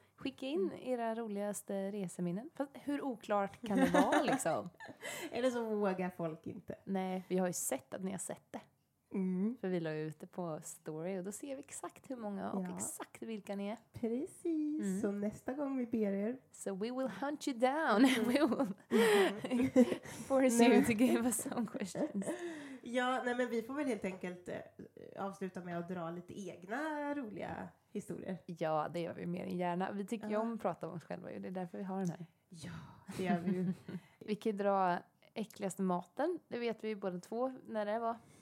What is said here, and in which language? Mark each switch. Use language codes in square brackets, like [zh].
[sv] Skicka in era roligaste reseminnen. Fast hur oklart kan det vara liksom? Eller så vågar folk inte. Nej, vi har ju sett att ni har sett det. Mm. För vi la ju ut det på story och då ser vi exakt hur många och exakt vilka ni är. Precis. Mm. Så nästa gång vi ber er. [en] So we will hunt you down. We will force you to give us some questions. [sv] Ja, nej men vi får väl helt enkelt avsluta med att dra lite egna roliga historier. Ja, det gör vi mer än gärna. Vi tycker ju om att prata om oss själva och det är därför vi har den här. Ja, det gör vi ju. Vi kan dra äckligaste maten. Det vet vi ju båda två när det var.